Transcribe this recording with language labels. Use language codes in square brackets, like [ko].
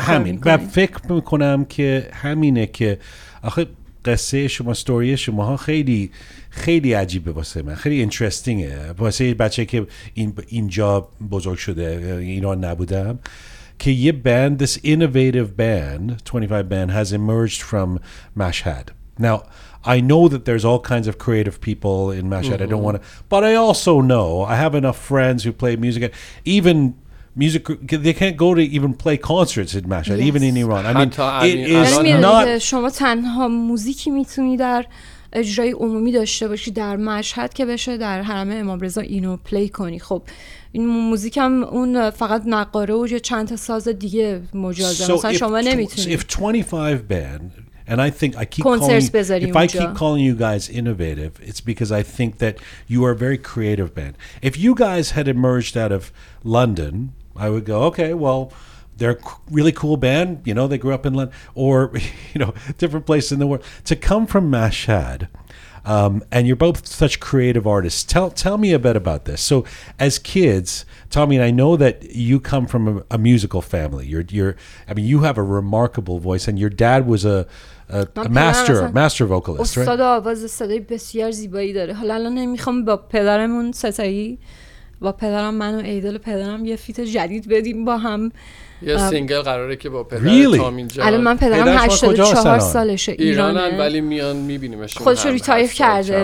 [fa] همین و فکر میکنم که همینه که آخه قصه شما استوری شما ها خیلی خیلی عجیبه واسه من، خیلی اینترستینگه واسه یه بچه که اینجا بزرگ شده ایران نبودم که یه بند [en] this innovative band 25 band has emerged from Mashhad. Now I know that there's all kinds of creative people in Mashhad. I don't want to, but I also know I have enough friends who play music, even music, they can't go to even play concerts in Mashhad, yes. Even in Iran. I mean, it is not... [fa] شما تنها موزیکی میتونی در اجرای عمومی داشته باشی در مشهد که بشه در حرم امام رضا اینو پلی کنی. خب این موزیک هم اون فقط نقاره و یه چند تا ساز دیگه مجازه. [en] So [fa] مثلا شما نمیتونی. [en] So if 25 band, and I think I keep calling you, if I keep calling you guys innovative, it's because I think that you are a very creative band. If you guys had emerged out of London, I would go, okay, well, they're a really cool band. You know, they grew up in London or, you know, different places in the world. To come from Mashhad, And you're both such creative artists. Tell me a bit about this. So as kids, Tommy, and I know that you come from a musical family. I mean, you have a remarkable voice, and your dad was a master vocalist, right? [fa] استاد آواز صدای بسیار زیبایی داره. حالا الان نمیخوام با پدرمون ستایی با پدرم من و ایدل پدرم یه فیت جدید بدیم با هم. یه سینگل قراره که با پدرم [en] really? [fa] تامین جان. الان من پدرم 84 سالشه، ایرانه ولی میان میبینیمش. خودش ریتایر کرده.